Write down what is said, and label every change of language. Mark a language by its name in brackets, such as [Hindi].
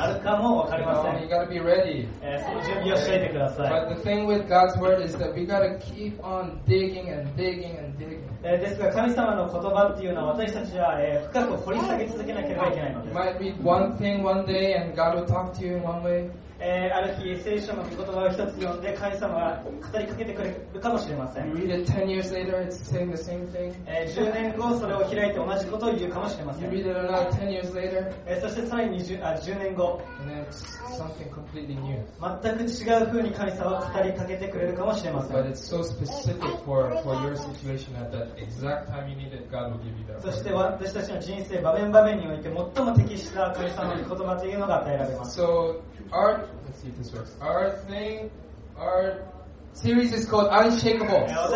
[Japanese] あるかもわかりません。 [English] You gotta be ready. [Japanese] その準備をしていてください。 [English] But the thing with God's word is that we gotta keep on digging and digging and digging. [Japanese] ですが、神様の言葉っていうのは私たちは深く掘り下げ続けなければいけないのです。 [English] You might read one thing one day and God will talk to you in one way. [Japanese] ある日聖書の言葉を一つ読んで神様が語りかけてくれるかもしれません。 [English] read it 10 years later, it's saying the same thing. [Japanese] 10年後それを開いて同じことを言うかもしれません。 [English] you read it aloud 10 years later. [Japanese] そしてさらに 10年後 [English] and then it's something completely new. [Japanese] 全く違う風に神様は語りかけてくれるかもしれません。 [English] but it's so specific for your situation at that exact time you need it, God will give you that. [Japanese] そして私たちの人生場面場面において最も適した神様の言葉というのが与えられます。 [English] so ourLet's see if this works. Our thing, our series is called Unshakable.